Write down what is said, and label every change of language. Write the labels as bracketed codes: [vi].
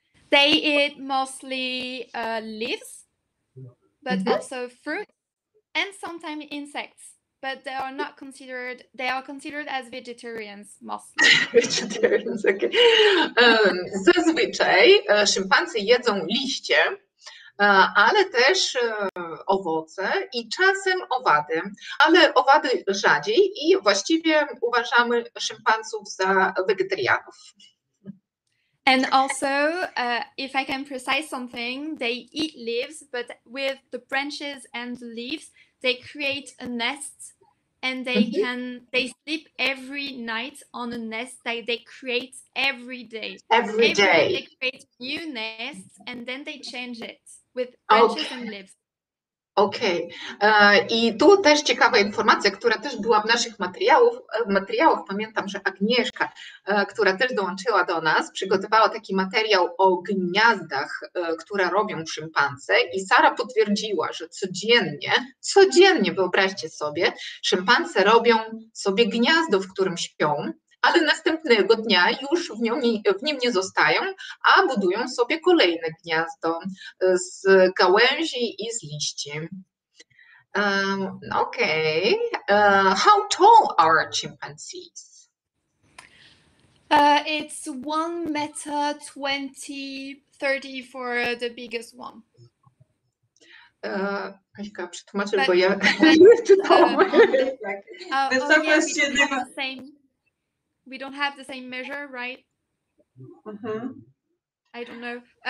[en] They eat mostly leaves, but also fruit and sometimes insects. But they are not considered, they are considered as vegetarians mostly. Vegetarians, okay. [pl] Zazwyczaj szympansy jedzą liście, ale też owoce i czasem owady, ale owady rzadziej i właściwie uważamy szympansów za wegetarianów. [en] And also, if I can precise something, they eat leaves, but with the branches and the leaves, they create a nest. And they sleep every night on a nest that they create every day. Every day. They create new nests and then they change it with branches and leaves. [pl] Okej. I tu też ciekawa informacja, która też była w naszych materiałach, pamiętam, że Agnieszka, która też dołączyła do nas, przygotowała taki materiał o gniazdach, które robią szympanse i Sara potwierdziła, że codziennie, wyobraźcie sobie, szympanse robią sobie gniazdo, w którym śpią, ale następnego dnia już w nim nie zostają, a budują sobie kolejne gniazdo z gałęzi i z liści. [en] Okay. How tall are chimpanzees? It's 1.20 m, 1.30 m for the biggest one. [pl] Kaśka, przetłumaczę, bo ja już czytałam. Wysokość jedyna. [en] We don't have the same measure, right? Uh-huh. I don't know.